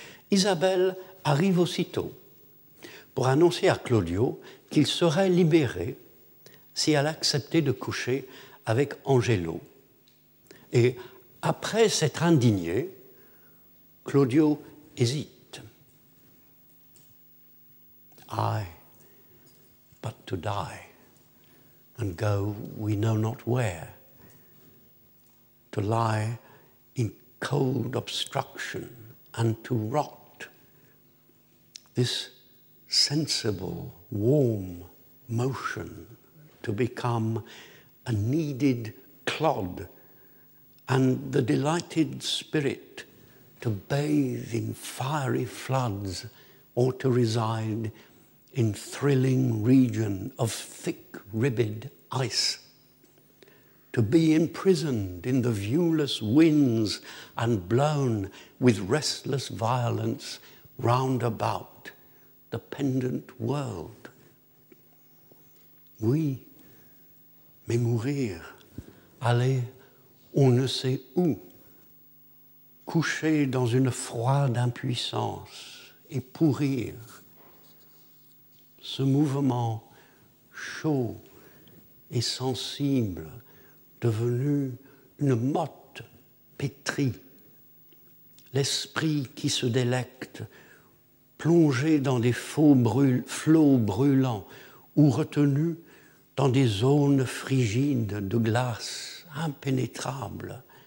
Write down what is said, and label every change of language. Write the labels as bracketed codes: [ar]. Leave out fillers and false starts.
[fr] Isabelle arrive aussitôt pour annoncer à Claudio qu'il serait libéré si elle acceptait de coucher avec Angelo. Et après s'être indigné, Claudio hésite. [en] Aye, but to die and go we know not where, to lie in cold obstruction and to rot, this sensible warm motion to become a kneaded clod, and the delighted spirit to bathe in fiery floods or to reside in thrilling region of thick ribbed ice, to be imprisoned in the viewless winds and blown with restless violence round about the pendant world. [fr] Oui, mais mourir, aller on ne sait où, coucher dans une froide impuissance et pourrir, ce mouvement chaud et sensible devenu une motte pétrie, l'esprit qui se délecte, plongé dans des flots brûlants ou retenu dans des zones frigides de glace impénétrable